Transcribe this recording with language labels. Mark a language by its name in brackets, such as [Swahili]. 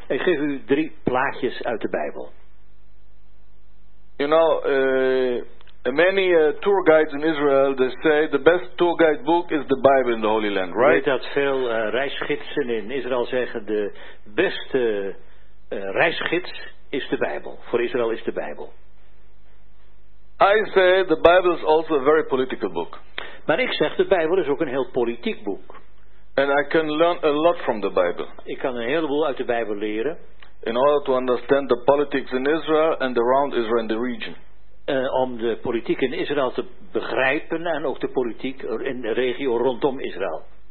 [Dutch] Ik geef u drie plaatjes uit de Bijbel. [English] You know, many tour guides in Israel, they say the best tour guide book is the Bible in the Holy Land, right? [Dutch] Weet dat veel reisgidsen in Israël zeggen de beste reisgids is de Bijbel. Voor Israël is de Bijbel. [English] I say the Bible is also a very political book. [Dutch] Maar ik zeg de Bijbel is ook een heel politiek boek. [English] And I can learn a lot from the Bible. [Dutch] Ik kan een heleboel uit de Bijbel leren. [English] In order to understand the politics in Israel and around Israel and the region. [Dutch] Om de politiek in Israël te begrijpen en ook de politiek in de regio rondom Israël.